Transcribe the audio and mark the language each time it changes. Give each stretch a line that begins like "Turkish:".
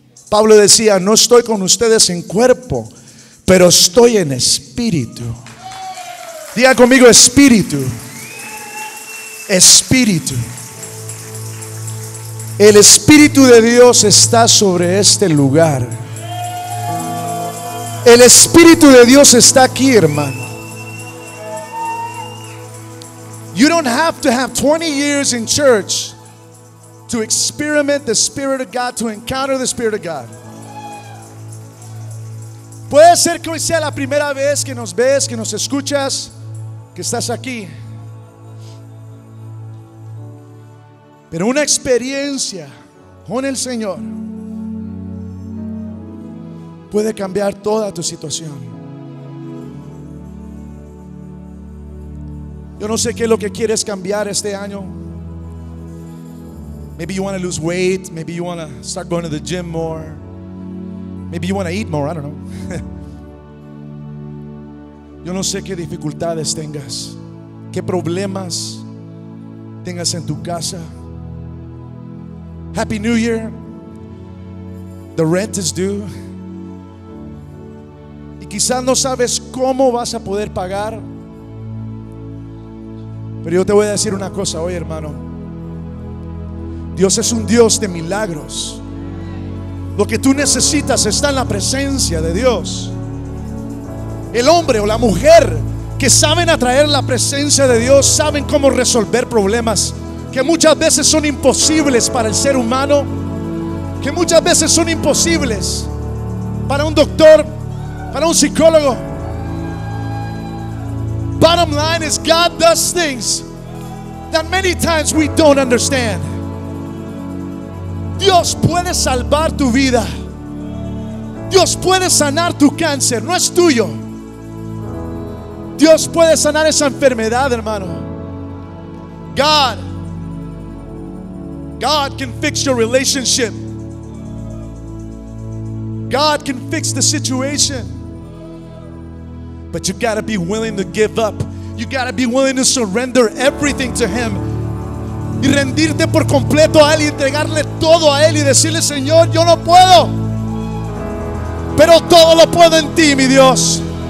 Spanish: Pablo decía, no estoy con ustedes en cuerpo, pero estoy en espíritu. Diga conmigo, espíritu. espíritu. El Espíritu de Dios está sobre este lugar. El Espíritu de Dios está aquí, hermano.
English: You don't have to have 20 years in church to experiment the Spirit of God, to encounter the Spirit of God.
Spanish: Puede ser que hoy sea la primera vez que nos ves, que nos escuchas, que estás aquí. Pero una experiencia con el Señor puede cambiar toda tu situación. Yo no sé qué es lo que quieres cambiar este año.
English: Maybe you want to lose weight. Maybe you want to start going to the gym more. Maybe you want to eat more, I don't know.
Spanish: Yo no sé qué dificultades tengas, qué problemas tengas en tu casa.
English: Happy New Year. The rent is due.
Spanish: Y quizás no sabes cómo vas a poder pagar. Pero yo te voy a decir una cosa hoy, hermano. Dios es un Dios de milagros. Lo que tú necesitas está en la presencia de Dios. El hombre o la mujer que saben atraer la presencia de Dios saben cómo resolver problemas que muchas veces son imposibles para el ser humano, que muchas veces son imposibles para un doctor, para un psicólogo.
English: Bottom line is, God does things that many times we don't understand.
Spanish: Dios puede salvar tu vida. Dios puede sanar tu cáncer, no es tuyo. Dios puede sanar esa enfermedad, hermano.
English: God can fix your relationship. God can fix the situation. But you gotta be willing to give up. You gotta be willing to surrender everything to Him.
Spanish: Y rendirte por completo a Él y entregarle todo a Él y decirle: Señor, yo no puedo, pero todo lo puedo en Ti, mi Dios.